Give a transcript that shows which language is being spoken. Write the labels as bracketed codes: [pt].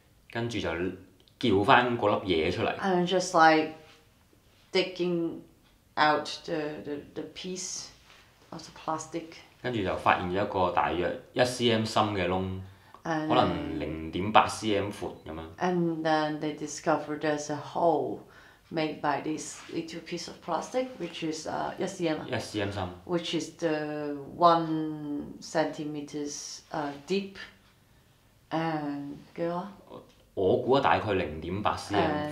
[yue] 跟住就叫翻嗰粒嘢出嚟。 [en] And just like digging out the piece of the plastic. [yue] 跟住就發現咗一個大約1cm 深嘅窿，可能0.8cm 闊咁樣。 [en] And then they discovered there's a hole made by this little piece of plastic, which is 1cm. [yue] 1cm 深。 [en] Which is the 1cm deep. [yue] And 幾多？我估大概0.8cm 闊。